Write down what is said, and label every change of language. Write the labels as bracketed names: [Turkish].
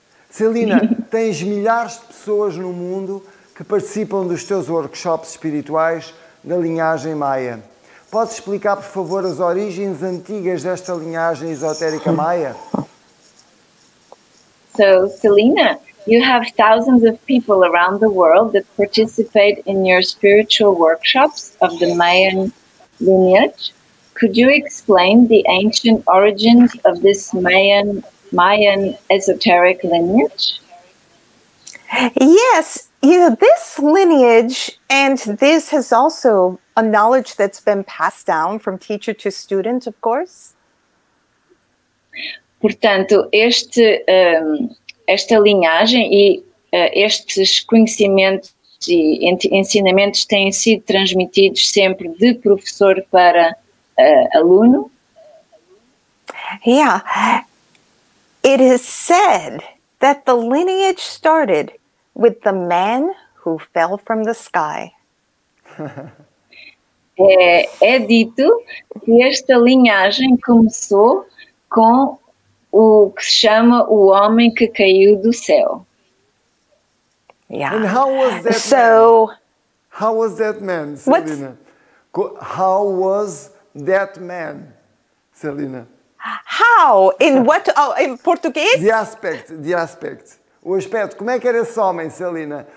[Portuguese] Celina, tens milhares de pessoas no mundo que participam dos teus workshops espirituais da linhagem Maia. Podes explicar, por favor, as origens antigas desta linhagem esotérica Maia? [English] So, Celina, you have thousands of people around the world that participate in your spiritual workshops of the Mayan lineage. Could you explain the ancient origins of this Mayan esoteric lineage? Yes. You know, this lineage, and this has also a knowledge that's been passed down from teacher to student, of course. [Portuguese] Portanto, esta linhagem e estes conhecimentos e ensinamentos têm sido transmitidos sempre de professor para aluno. [English] Yeah. It is said that the lineage started with the man who fell from the sky. [Portuguese] É dito que esta linhagem começou com o que se chama o homem que caiu do céu. [English] Yeah. And how was that so, man? How was that man, Celina? How was that man, Celina? How? In what? Oh, in português? [Portuguese] De aspecto, de aspecto. O aspecto, como é que era esse homem, Celina?